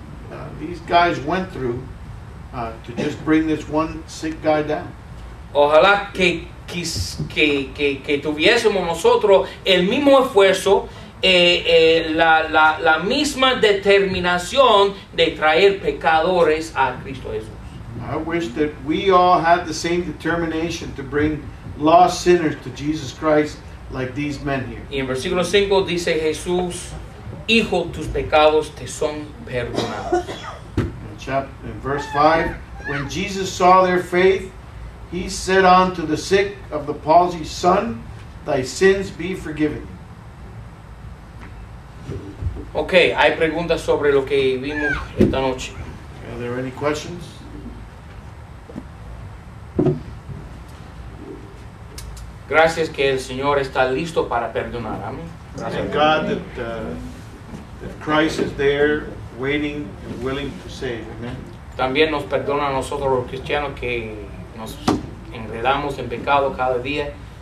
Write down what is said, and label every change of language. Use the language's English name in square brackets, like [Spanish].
[English] Look at everything these guys went through to just bring this one sick guy down. [Spanish] Ojalá que tuviésemos nosotros el mismo esfuerzo, la misma determinación de traer pecadores a Cristo Jesús. [English] I wish that we all had the same determination to bring lost sinners to Jesus Christ like these men here. [Spanish] Y en versículo 5 dice Jesús, Hijo, tus pecados te son perdonados. [English] In verse 5, when Jesus saw their faith, he said unto the sick of the palsy, Son, thy sins be forgiven. [Spanish] Okay, hay preguntas sobre lo que vimos esta noche. [English] Are there any questions? [Spanish] Gracias que el Señor está listo para perdonar. Amén. [English] Thank God that Christ is there waiting and willing to save. Amen. [Spanish] También nos perdona a nosotros los cristianos que nos enredamos en pecado cada día.